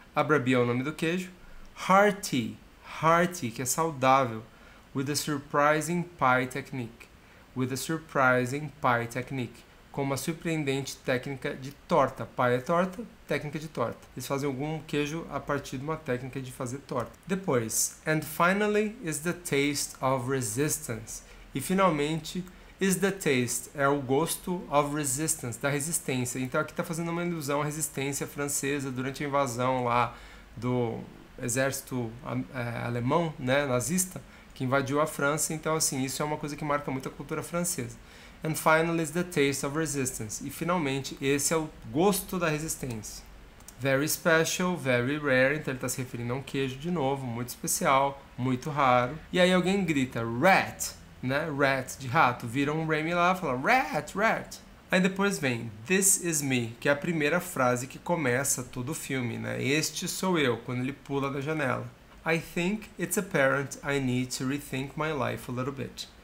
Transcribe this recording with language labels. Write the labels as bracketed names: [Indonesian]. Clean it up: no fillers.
[Portuguese] Abrabi é o nome do queijo. [English] Hearty, hearty, [Portuguese] que é saudável. [English] With a surprising pie technique. With a surprising pie technique. [Portuguese] Com uma surpreendente técnica de torta. Pie é torta, técnica de torta. Eles fazem algum queijo a partir de uma técnica de fazer torta. Depois, [English] and finally is the taste of resistance. [Portuguese] E finalmente, [English] is the taste, [Portuguese] é o gosto [English] of resistance, [Portuguese] da resistência. Então aqui está fazendo uma alusão à resistência francesa durante a invasão lá do exército alemão, né, nazista, que invadiu a França. Então assim, isso é uma coisa que marca muito a cultura francesa. [English] And finally is the taste of resistance. [Portuguese] E finalmente, esse é o gosto da resistência. [English] Very special, very rare. [Portuguese] Então ele está se referindo a um queijo de novo, muito especial, muito raro. E aí alguém grita, rat, né? Rat, de rato. Vira um Remy lá e fala, [English] rat, rat. [Portuguese] Aí depois vem, [English] this is me, [Portuguese] que é a primeira frase que começa todo o filme, né? Este sou eu, quando ele pula da janela. [English] I think it's apparent I need to rethink my life a little bit.